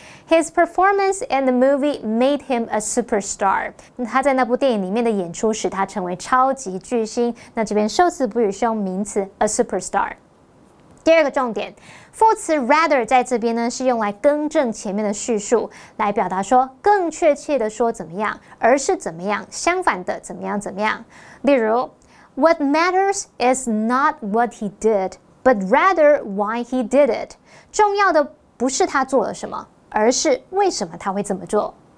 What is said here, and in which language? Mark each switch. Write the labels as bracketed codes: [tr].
[en] His performance in the movie made him a superstar. [zh] 他在那部电影里面的演出使他成为超级巨星。那这边受词补语是用名词 a superstar。第二个重点，副词 rather 在这边呢是用来更正前面的叙述，来表达说更确切的说怎么样，而是怎么样，相反的怎么样怎么样。例如 [en] ，What matters is not what he did, but rather why he did it。 [zh] 重要的不是他做了什么，而是为什么他会这么做。